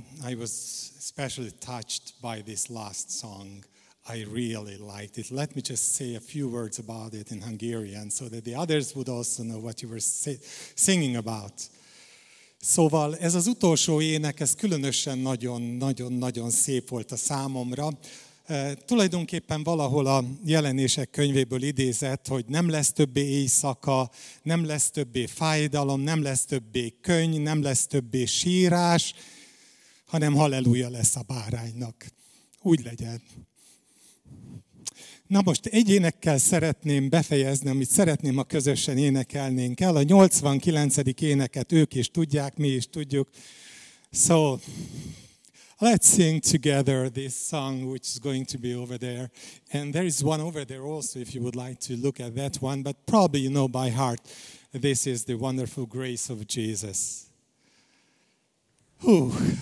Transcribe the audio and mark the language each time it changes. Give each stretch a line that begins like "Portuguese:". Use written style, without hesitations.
English: I was especially touched by this last song. I really liked it. Let me just say a few words about it in Hungarian so that the others would also know what you were singing about.
Hungarian: Szóval ez az utolsó ének, ez különösen nagyon-nagyon-nagyon szép volt a számomra. Tulajdonképpen valahol a jelenések könyvéből idézett, hogy nem lesz többé éjszaka, nem lesz többé fájdalom, nem lesz többé könny, nem lesz többé sírás, hanem halleluja lesz a báránynak. Úgy legyen. Na most egy énekkel szeretném befejezni, amit szeretném, ha közösen énekelnénk el. A 89. éneket ők is tudják, mi is tudjuk.
English: So, let's sing together this song, which is going to be over there. And there is one over there also, if you would like to look at that one. But probably you know by heart, this is the wonderful grace of Jesus. Whew.